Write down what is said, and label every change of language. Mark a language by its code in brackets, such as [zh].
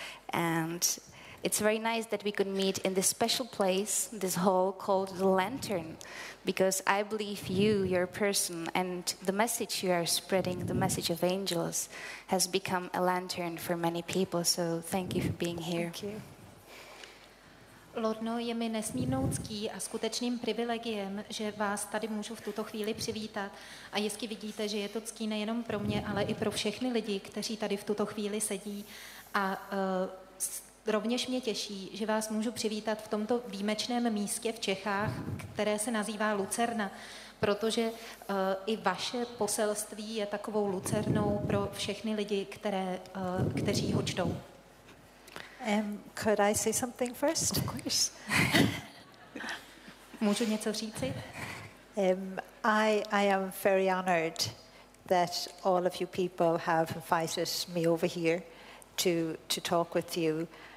[en] And it's very nice that we could meet in this special place, this hall called the Lantern, because I believe you, your person, and the message you are spreading, the message of angels, has become a lantern for many people. So thank you for being here. Thank you. [cs] Lorno, je mi nesmírnou ctí a skutečným privilegiem, že vás tady můžu v tuto chvíli přivítat. A jestli vidíte, že je to ctí nejenom pro mě, ale i pro všechny lidi, kteří tady v tuto chvíli sedí. A rovněž mě těší, že vás můžu přivítat v tomto výjimečném místě v Čechách, které se nazývá Lucerna, protože i vaše poselství je takovou lucernou pro všechny lidi, kteří ho čtou. [en] Could I say something first? Of course. [cs] Můžu něco říci? [en] I am very honored that all of you people have invited me over here to talk with you.